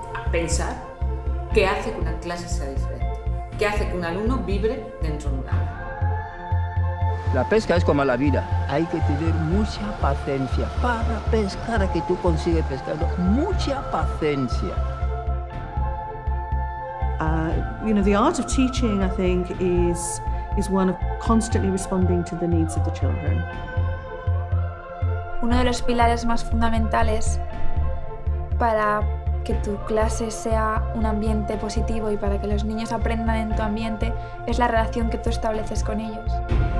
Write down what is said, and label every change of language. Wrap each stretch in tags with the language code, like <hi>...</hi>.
<es>Pensar qué hace que una clase sea diferente, qué hace que un alumno vibre dentro de un aula. La pesca es como la vida. Hay que tener mucha paciencia para pescar, que tú consigues pescar. Mucha paciencia.</es> <en>You know, the art of teaching, I think, is one of constantly responding to the needs of the children.</en> <es>Uno de los pilares más fundamentales para que tu clase sea un ambiente positivo y para que los niños aprendan en tu ambiente es la relación que tú estableces con ellos.</es>